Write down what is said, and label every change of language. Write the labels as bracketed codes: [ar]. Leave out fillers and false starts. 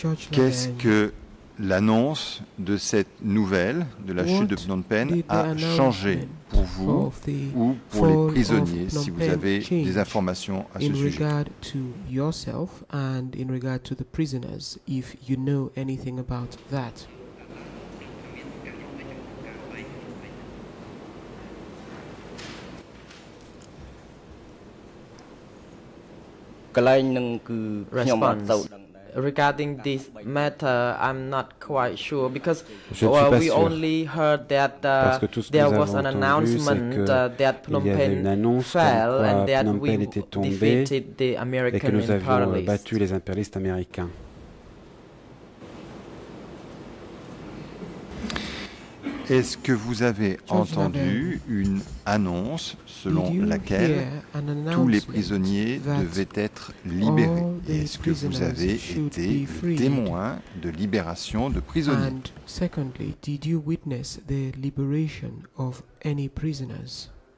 [fr] Qu'est-ce que l'annonce de cette nouvelle, de la chute de Phnom Penh, a changé pour vous ou pour les prisonniers, si vous avez des informations à ce sujet? [en] In regard to yourself and in regard to the prisoners, if you know anything about that. Response. Regarding this matter, I'm not quite sure because we only heard that there was an announcement that Phnom Penh fell and that [fr] Phnom Penh était tombé [en] defeated the American imperialists. [fr] Est-ce que vous avez entendu une annonce selon laquelle tous les prisonniers devaient être libérés? Est-ce que vous avez été le témoin de libération de prisonniers? [en] And secondly, did you witness the liberation of any prisoners?